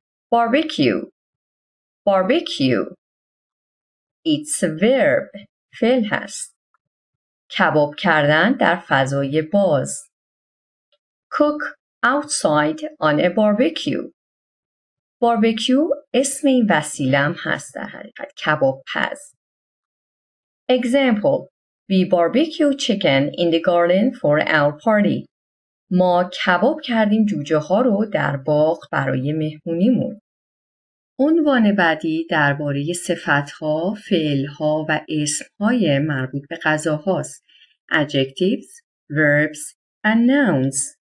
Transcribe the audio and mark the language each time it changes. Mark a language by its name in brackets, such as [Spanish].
[English] Barbecue. Barbecue. It's a verb. [Persian] فعل هست. کباب کردن در فضای باز. [English] Cook outside on a barbecue. [Persian] Barbecue اسم این وسیلم هست در حقیقت. کباب پز. Example. [English] We barbecue chicken in the garden for our party. [Persian] ما کباب کردیم جوجه ها رو در باغ برای مهمونیمون. عنوان بعدی درباره صفتها، فعلها و اسمهای مربوط به غذاهاست. [English] Adjectives, verbs and nouns.